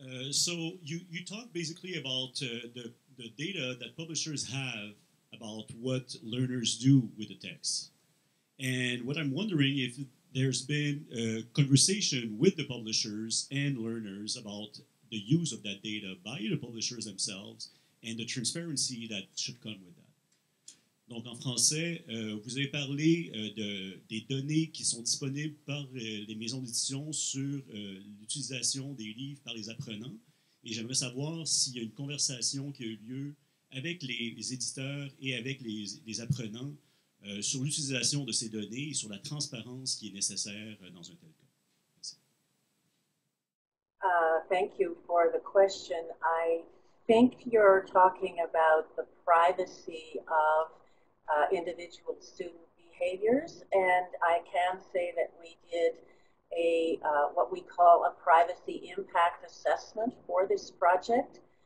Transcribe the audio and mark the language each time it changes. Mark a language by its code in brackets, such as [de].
[en] So you talk basically about the data that publishers have about what learners do with the text. And what I'm wondering if there's been a conversation with the publishers and learners about the use of that data by the publishers themselves and the transparency that should come with that. [fr] Donc en français, vous avez parlé des données qui sont disponibles par les maisons d'édition sur l'utilisation des livres par les apprenants. Et j'aimerais savoir s'il y a une conversation qui a eu lieu avec les éditeurs et avec les apprenants sur l'utilisation de ces données et sur la transparence qui est nécessaire dans un tel cas. Merci. [en] Thank you for the question. I think you're talking about the privacy of individual student behaviors, and I can say that we did what we call a privacy impact assessment for this project.